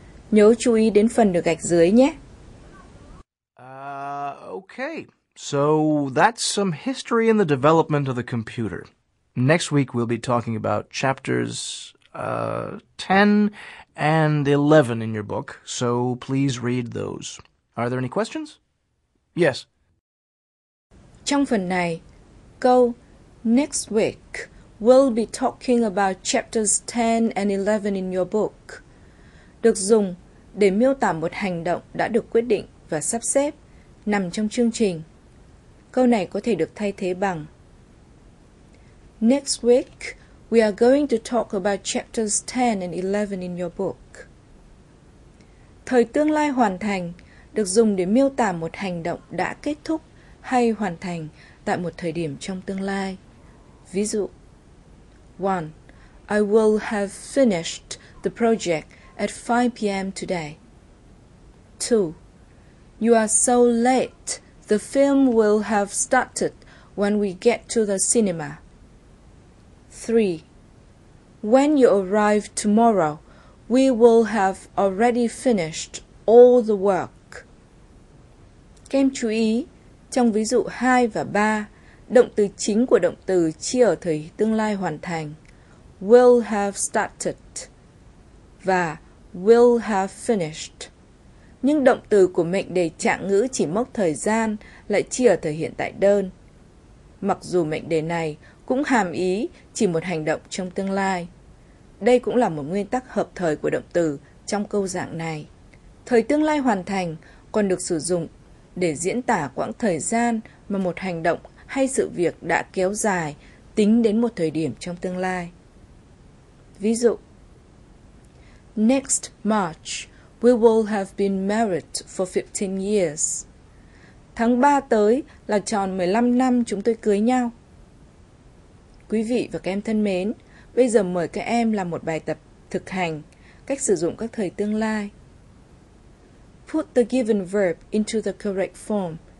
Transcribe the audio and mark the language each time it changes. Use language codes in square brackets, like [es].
[vi] Nhớ chú ý đến phần được gạch dưới nhé. [en] Okay, so that's some history in the development of the computer. Next week we'll be talking about chapters 10 and 11 in your book, so please read those. Are there any questions? Yes. [vi] Trong phần này, câu [en] next week we'll be talking about chapters 10 and 11 in your book [vi] được dùng để miêu tả một hành động đã được quyết định và sắp xếp nằm trong chương trình. Câu này có thể được thay thế bằng [en] next week we are going to talk about chapters 10 and 11 in your book. [vi] Thời tương lai hoàn thành được dùng để miêu tả một hành động đã kết thúc hay hoàn thành tại một thời điểm trong tương lai. Ví dụ 1. [en] I will have finished the project at 5 p.m. today. 2. You are so late. The film will have started when we get to the cinema. 3. When you arrive tomorrow, we will have already finished all the work. [vi] Các em chú ý, trong ví dụ 2 và 3, động từ chính của động từ chia ở thời tương lai hoàn thành [en] will have started [vi] và [en] will have finished. [vi] Nhưng động từ của mệnh đề trạng ngữ chỉ mốc thời gian lại chia ở thời hiện tại đơn. Mặc dù mệnh đề này cũng hàm ý chỉ một hành động trong tương lai. Đây cũng là một nguyên tắc hợp thời của động từ trong câu dạng này. Thời tương lai hoàn thành còn được sử dụng để diễn tả quãng thời gian mà một hành động hay sự việc đã kéo dài tính đến một thời điểm trong tương lai. Ví dụ, [en] next March, we will have been married for 15 years. [vi] Tháng 3 tới là tròn 15 năm chúng tôi cưới nhau. Quý vị và các em thân mến, bây giờ mời các em làm một bài tập thực hành cách sử dụng các thời tương lai. [en] Put the given verb into the correct form.